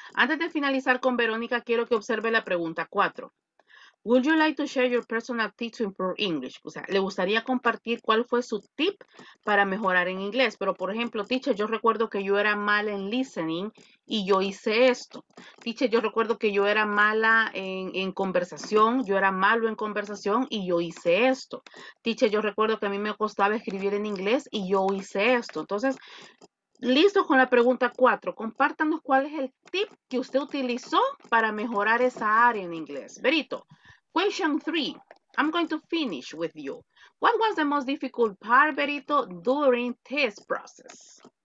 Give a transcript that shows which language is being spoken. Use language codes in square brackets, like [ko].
[es] Antes de finalizar con Verónica, quiero que observe la pregunta 4. [en] Would you like to share your personal tip to improve English? [es] O sea, ¿le gustaría compartir cuál fue su tip para mejorar en inglés? Pero, por ejemplo, teacher, yo recuerdo que yo era mala en listening y yo hice esto. Teacher, yo recuerdo que yo era mala en conversación, yo era malo en conversación y yo hice esto. Teacher, yo recuerdo que a mí me costaba escribir en inglés y yo hice esto. Entonces, listo con la pregunta 4. Compártanos cuál es el tip que usted utilizó para mejorar esa área en inglés. [en] Berito. Question 3, I'm going to finish with you. What was the most difficult part, Berito, during this process?